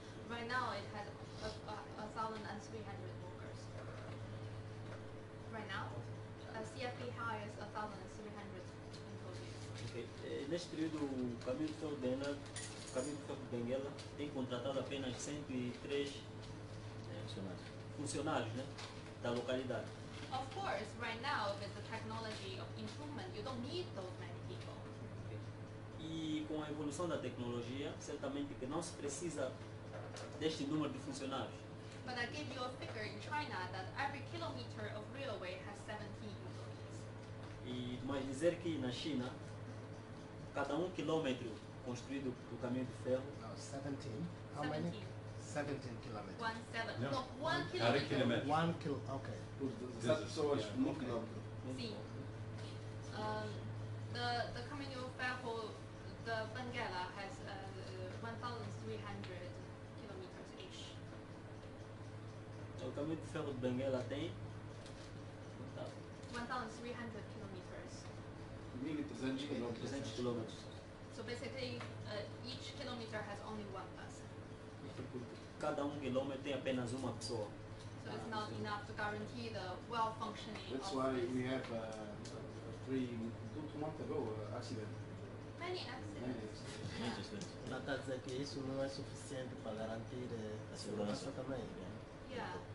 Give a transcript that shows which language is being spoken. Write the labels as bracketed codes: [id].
[en] Right now it has 1,300 workers. Right now? CFP hires 1,300 employees. Okay. [pt] Neste período, o caminho de ferro de Benguela tem contratado apenas 103 funcionários, né, da localidade. [en] Of course, right now, with the technology of improvement, you don't need those many people. [pt] Okay. E com a evolução da tecnologia, certamente que não se precisa deste número de funcionários. [en] But I gave you a figure in China that every kilometer of railway has 17 employees. [pt] E mais dizer que na China, cada um quilômetro construído do caminho de ferro. [en] Não, 17. How 17. Many? 17 kilometers. 1 7. Yeah. No, 1 kilometer. 1 kilometer. Okay. [pt] Por pessoas, 1 quilômetro. Sim. [en] The caminho de ferro de Benguela has 1,300 kilometers each. [pt] O caminho de ferro de Benguela tem 1,300 quilômetros. 1,300 quilômetros. [en] So basically, each kilometer has only one person. [pt] Cada quilômetro tem apenas uma pessoa. [en] So it's not enough to guarantee the well functioning. That's why we have a month ago accident. Many accidents. [pt] Mas quer dizer que isso não é suficiente para garantir a segurança também, né?